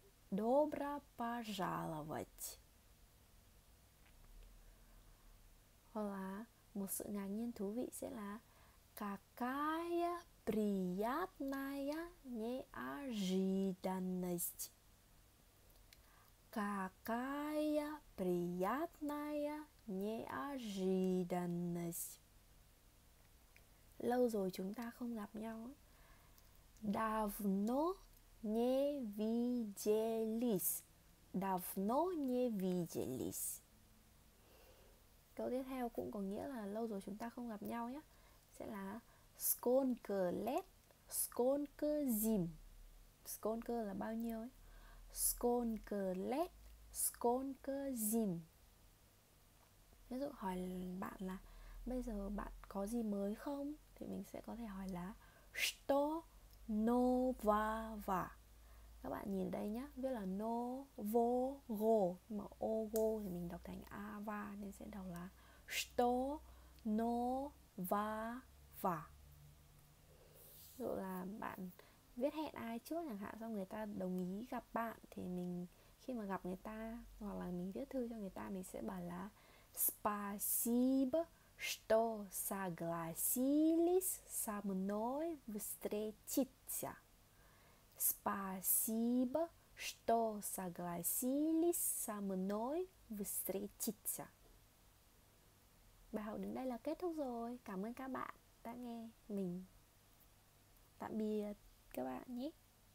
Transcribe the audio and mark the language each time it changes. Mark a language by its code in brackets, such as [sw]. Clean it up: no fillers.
[ru] Добро пожаловать. [vi] Hoặc là một sự ngạc nhiên thú vị sẽ là [ru] Какая приятная неожиданность. есть. Какая приятная неожиданность. [vi] Lâu rồi chúng ta không gặp nhau. [ru] Давно не виделись. Давно не виделись. [vi] Câu tiếp theo cũng có nghĩa là lâu rồi chúng ta không gặp nhau nhé. Sẽ là [ru] сколько лет, сколько зим. [vi] Сколько là bao nhiêu ấy. [ru] Сколько лет, сколько зим. [vi] Ví dụ hỏi bạn là bây giờ bạn có gì mới không? Thì mình sẽ có thể hỏi là [ru] что нового. [vi] Các bạn nhìn đây nhé, viết là нового, nhưng mà ого thì mình đọc thành ава, nên sẽ đọc là [ru] что нового. [vi] Ví dụ là bạn viết hẹn ai trước chẳng hạn, xong người ta đồng ý gặp bạn, thì mình khi mà gặp người ta hoặc là mình viết thư cho người ta, mình sẽ bảo là [ru] спасибо что согласились со мной встретиться. Спасибо что согласились со мной встретиться. [vi] Bài học đến đây là kết thúc rồi. Cảm ơn các bạn đã nghe mình. Tạm biệt các bạn nhé.